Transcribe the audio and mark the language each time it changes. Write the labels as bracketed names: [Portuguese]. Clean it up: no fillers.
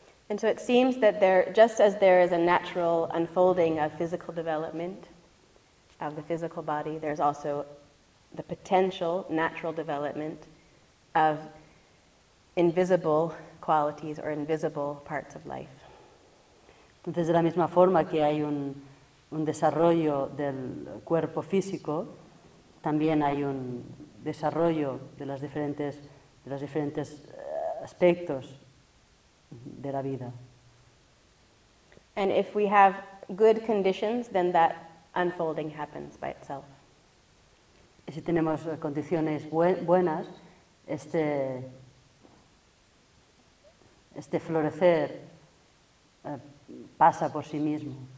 [English] And so it seems that there, just as there is a natural unfolding of physical development of the physical body, there's also the potential natural development of invisible qualities or invisible parts of life. [Spanish] Entonces, de la misma forma que hay un desarrollo del cuerpo físico, también hay un desarrollo de las diferentes aspectos de la vida. [English] And if we have good conditions, then that unfolding happens by itself. [Spanish] Y si tenemos condiciones buenas, este florecer pasa por sí mismo.